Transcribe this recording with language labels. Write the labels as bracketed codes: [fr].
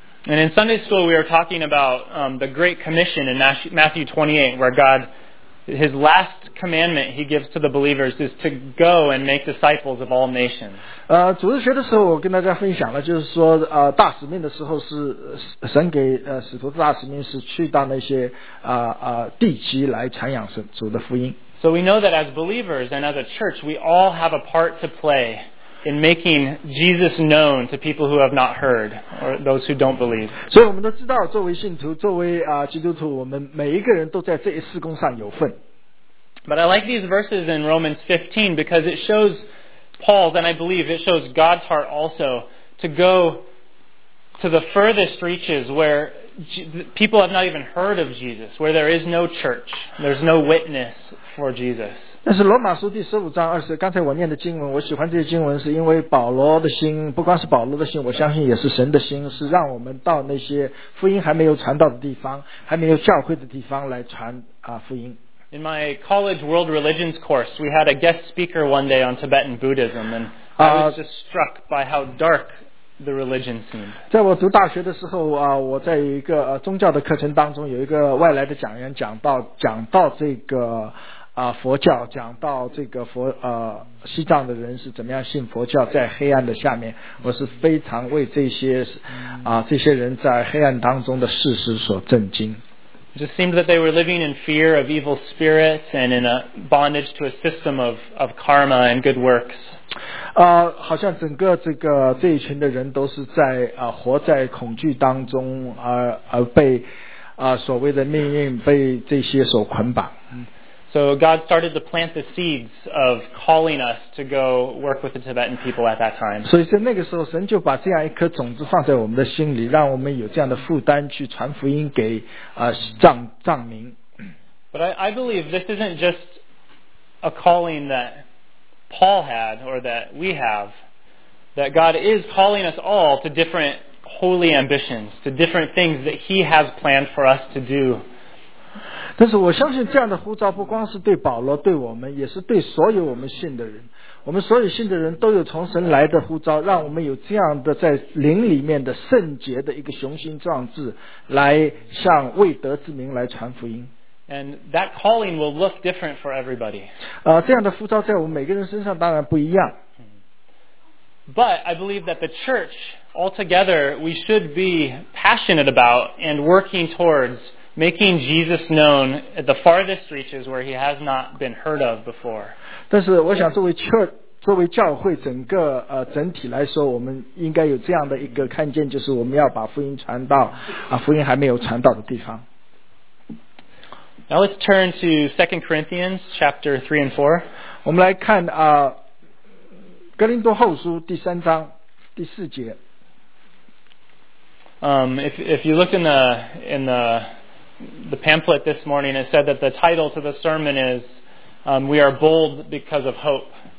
[en] And in Sunday school, we are talking about the Great Commission in Matthew 28, where God. His last commandment he gives to the believers is to go and make disciples of all nations. [zh] 主日学的时候我跟大家分享了，就是说大使命的时候是神给使徒的大使命是去到那些地级来传扬主的福音。 [en] So we know that as believers and as a church, we all have a part to play in making Jesus known to people who have not heard or those who don't believe. [zh] 所以我们都知道，作为信徒，作为基督徒，我们每一个人都在这一事工上有份。 [en] But I like these verses in Romans 15 because it shows Paul, and I believe it shows God's heart also to go to the furthest reaches where people have not even heard of Jesus, where there is no church, there's no witness for Jesus. [zh] 但是罗马书第十五章二十，刚才我念的经文，我喜欢这些经文，是因为保罗的心，不光是保罗的心，我相信也是神的心，是让我们到那些福音还没有传到的地方，还没有教会的地方来传福音。 [en] In my college world religions course, we had a guest speaker one day on Tibetan Buddhism, and I was just struck by how dark the religion seemed. [zh] 在我读大学的时候我在一个宗教的课程当中，有一个外来的讲员讲到这个。佛教讲到这个西藏的人是怎么样信佛教，在黑暗的下面，我是非常为这些人在黑暗当中的事实所震惊。 [en] It just seemed that they were living in fear of evil spirits and in a bondage to a system of karma and good works. [zh] 好像整个这一群的人都是在活在恐惧当中，而被所谓的命运被这些所捆绑。 [en] So God started to plant the seeds of calling us to go work with the Tibetan people at that time. [zh] 所以在那个时候，神就把这样一颗种子放在我们的心里，让我们有这样的负担去传福音给藏民。 [en] But I believe this isn't just a calling that Paul had or that we have. That God is calling us all to different holy ambitions, to different things that He has planned for us to do. [zh] 但是我相信这样的呼召不光是对保罗对我们也是对所有我们信的人我们所有信的人都有从神来的呼召让我们有这样的在灵里面的圣洁的一个雄心壮志来向未得之民来传福音 [en] And that calling will look different for everybody. [zh] 这样的呼召在我们每个人身上当然不一样 [en] But I believe that the church altogether we should be passionate about and working towardsMaking Jesus known at the farthest reaches where he has not been heard of before. [zh] 但是我想作为 church, 作为教会整个整体来说我们应该有这样的一个看见就是我们要把福音传到福音还没有传到的地方。 [en] Now let's turn to 2 Corinthians chapter 3 and 4. [zh] 我们来看哥林多后书第三章第四节。 [en] If you look in the pamphlet this morning, it said that the title to the sermon is We Are Bold Because of Hope.